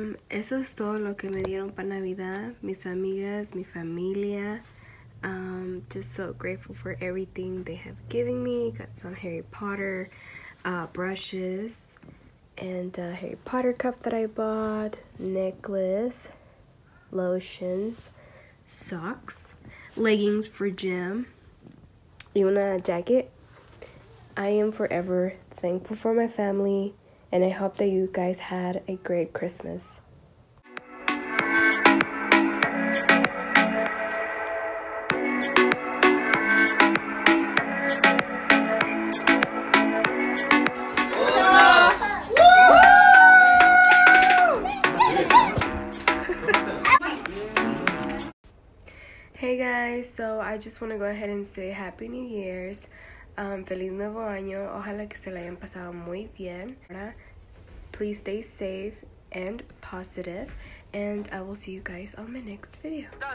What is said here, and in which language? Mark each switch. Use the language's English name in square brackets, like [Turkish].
[Spanish] Eso es todo lo que me dieron para Navidad, mis amigas, mi familia. [English] Just so grateful for everything they have given me. Got some Harry Potter brushes and a Harry Potter cup that I bought, necklace, lotions, socks, leggings for gym, [Spanish] y una [English] jacket. I am forever thankful for my family, and I hope that you guys had a great Christmas. Hey guys, so I just want to go ahead and say Happy New Year's. [Spanish] Feliz Nuevo Año. Ojalá que se la hayan pasado muy bien. [English] Please stay safe and positive. And I will see you guys on my next video.